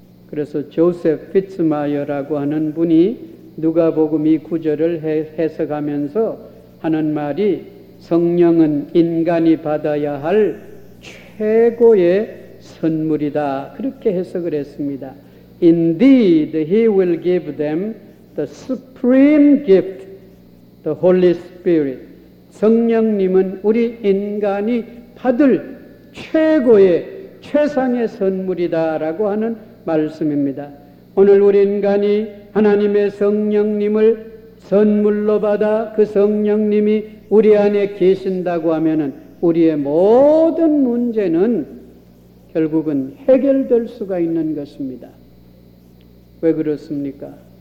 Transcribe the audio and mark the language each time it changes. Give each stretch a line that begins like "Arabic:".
Korean: 그래서 조셉 피츠마이어라고 하는 분이 누가복음 이 구절을 해석하면서 하는 말이 성령은 인간이 받아야 할 최고의 선물이다 그렇게 해석을 했습니다.
English: Indeed, he will give them the supreme gift, the Holy Spirit.
Korean: 성령님은 우리 인간이 받을 최고의 최상의 선물이다라고 하는 말씀입니다. 오늘 우리 인간이 하나님의 성령님을 선물로 받아 그 성령님이 우리 안에 계신다고 하면은 우리의 모든 문제는 결국은 해결될 수가 있는 것입니다. 왜 그렇습니까?